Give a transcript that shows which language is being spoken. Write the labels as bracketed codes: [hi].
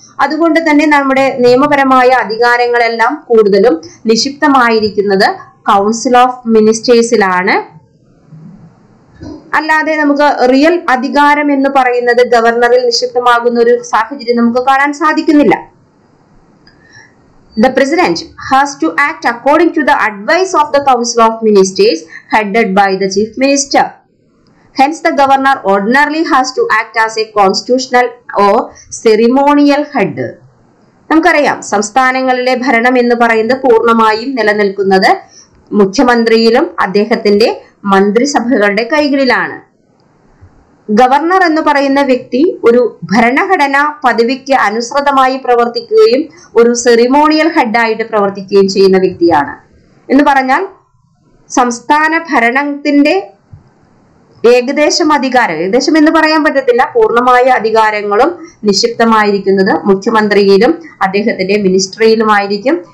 [ml] അതുകൊണ്ട് തന്നെ നമ്മുടെ നിയമപരമായ അധികാരങ്ങളെല്ലാം കൂടുതലും നിഷിപ്തമായിരിക്കുന്നത് കൗൺസിൽ ഓഫ് മിനിസ്റ്റേഴ്സിലാണ്. അല്ലാതെ നമുക്ക് റിയൽ അധികാരം എന്ന് പറയുന്നത് ഗവർണറിൽ നിക്ഷിപ്തമാകുന്ന ഒരു സാഹചര്യം നമുക്ക് കാണാൻ സാധിക്കുന്നില്ല. [en] The president has to act according to the advice of the Council of Ministers headed by the Chief Minister. Hence, the governor ordinarily has to act as a constitutional or ceremonial head. [ml] നമുക്കറിയാം സംസ്ഥാനങ്ങളിലെ ഭരണം എന്ന് പറയുന്നത് പൂർണ്ണമായും നിലനിൽക്കുന്നത് മുഖ്യമന്ത്രിയിലും അദ്ദേഹത്തിന്റെ മന്ത്രിസഭകളുടെ കൈകളിലാണ്. Governor എന്ന് പറയുന്ന വ്യക്തി ഒരു ഭരണഘടനാ പദവിക്ക് അനുസൃതമായി പ്രവർത്തിക്കുകയും ഒരു സെറിമോണിയൽ ഹെഡായിട്ട് പ്രവർത്തിക്കുകയും ചെയ്യുന്ന വ്യക്തിയാണ് എന്ന് പറഞ്ഞാൽ സംസ്ഥാന ഭരണത്തിന്റെ ഏകദേശം അധികാരം, ഏകദേശം എന്ന് പറയാൻ പറ്റത്തില്ല, പൂർണ്ണമായ അധികാരങ്ങളും നിക്ഷിപ്തമായിരിക്കുന്നത് മുഖ്യമന്ത്രിയിലും അദ്ദേഹത്തിന്റെ മിനിസ്ട്രിയിലുമായിരിക്കും.